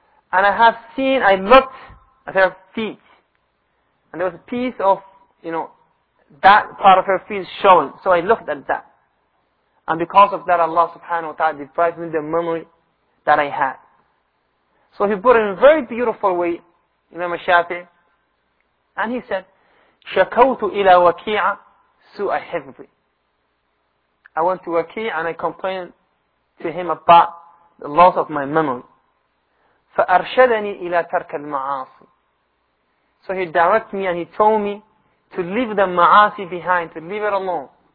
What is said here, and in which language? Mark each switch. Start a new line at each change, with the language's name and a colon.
English: And I have seen, I looked at her feet. And there was a piece of, you know, that part of her feet showing. So I looked at that. And because of that, Allah subhanahu wa ta'ala deprived me of the memory that I had. So he put it in a very beautiful way, Imam Shafi. And he said,
Arabic: شَكَوْتُ إِلَى وَكِيعَ سُوءَ حِفْظِ.
English: I went to Waqi' and I complained to him about the loss of my memory.
Arabic: فَأَرْشَدَنِي إِلَى تَرْكَ الْمَعَاصِ.
English: So he directed me and he told me to leave the ma'asi behind, to leave it alone.